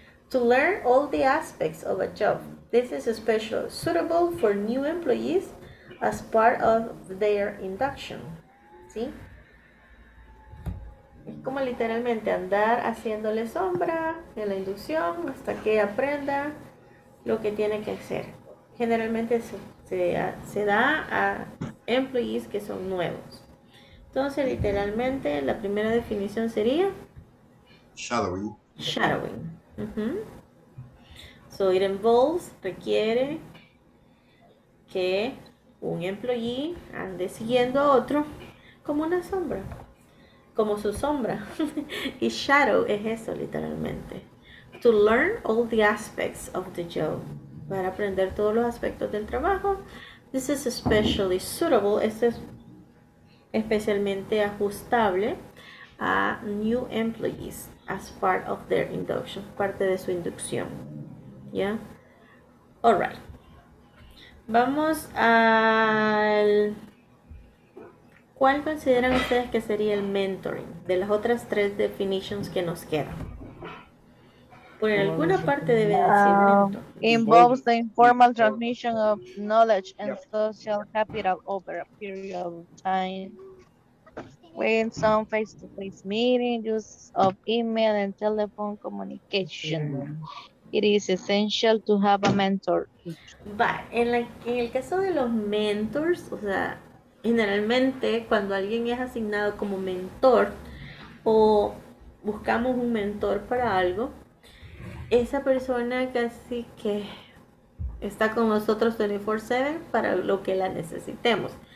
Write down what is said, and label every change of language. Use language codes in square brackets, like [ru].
[en] To learn all the aspects of a job. This is especially suitable for new employees as part of their induction. [es] ¿Sí? Es como literalmente andar haciéndole sombra en la inducción hasta que aprenda lo que tiene que hacer. Generalmente se da a employees que son nuevos. Entonces, literalmente, la primera definición sería [en] shadowing. Shadowing. So it involves, [es] requiere que un employee ande siguiendo a otro como una sombra, como su sombra. Y shadow es eso, literalmente. [en] To learn all the aspects of the job. [es] Para aprender todos los aspectos del trabajo. [en] This is especially suitable. [es] Este es especialmente ajustable a [en] new employees as part of their induction, [es] parte de su inducción. ¿Ya? [en] Yeah? All right. [es] Vamos al... ¿Cuál consideran ustedes que sería el mentoring de las otras tres definitions que nos quedan? Por alguna parte debe decir mentor. [en] Involves the informal transmission of knowledge and social capital over a period of time. When some face-to-face meeting, use of email and telephone communication. It is essential to have a mentor. [es] But en el caso de los mentors, o sea, generalmente cuando alguien es asignado como mentor o buscamos un mentor para algo, esa persona casi que está con nosotros 24/7 para lo que la necesitemos.